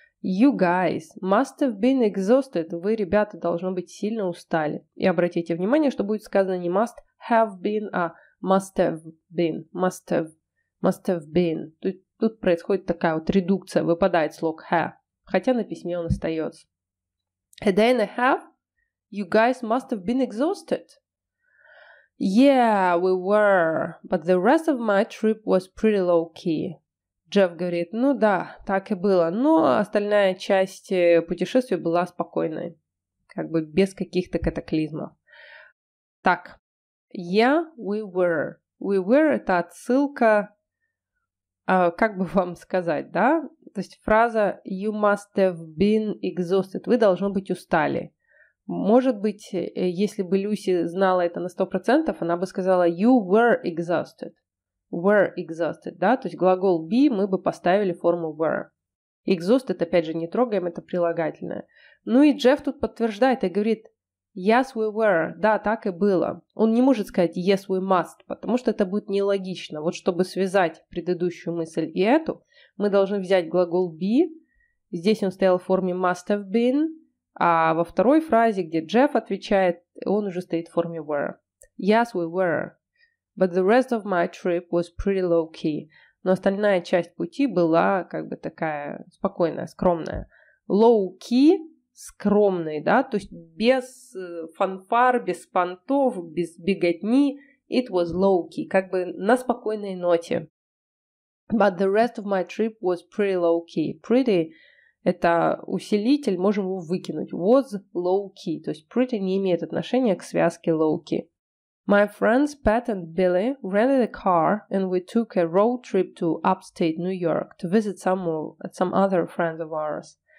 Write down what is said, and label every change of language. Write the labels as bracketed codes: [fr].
[en] You guys must have been exhausted. [ru] Вы, ребята, должно быть сильно устали. И обратите внимание, что будет сказано не must have been, а must have been. [en] Must have been. [ru] Тут происходит такая вот редукция, выпадает слог have. Хотя на письме он остается. [en] A day and a half, you guys must have been exhausted. Yeah, we were, but the rest of my trip was pretty low-key. [ru] Джефф говорит, ну да, так и было, но остальная часть путешествия была спокойной, как бы без каких-то катаклизмов. [en] Так, yeah, we were. We were [ru] – это отсылка, как бы вам сказать, да? То есть фраза [en] «you must have been exhausted» [ru] – «вы должно быть устали». Может быть, если бы Люси знала это на 100%, она бы сказала [en] «you were exhausted». «Were exhausted», да? [ru] То есть глагол «be» мы бы поставили форму «were». «Exhausted» опять же не трогаем, это прилагательное. Ну и Джефф тут подтверждает и говорит [en] «yes, we were», [ru] «да, так и было». Он не может сказать [en] «yes, we must», [ru] потому что это будет нелогично. Вот чтобы связать предыдущую мысль и эту, мы должны взять глагол be, здесь он стоял в форме must have been, а во второй фразе, где Джефф отвечает, он уже стоит в форме were. [en] Yes, we were, but the rest of my trip was pretty low-key. [ru] Но остальная часть пути была как бы такая спокойная, скромная. Low-key, скромный, да, то есть без фанфар, без понтов, без беготни, [en] it was low-key, [ru] как бы на спокойной ноте. [en] But the rest of my trip was pretty low-key. [ru] Pretty – это усилитель, можем его выкинуть. [en] Was low-key. [ru] То есть pretty не имеет отношения к связке low-key. [en] My friends Pat and Billy rented a car and we took a road trip to upstate New York to visit some other friends of ours.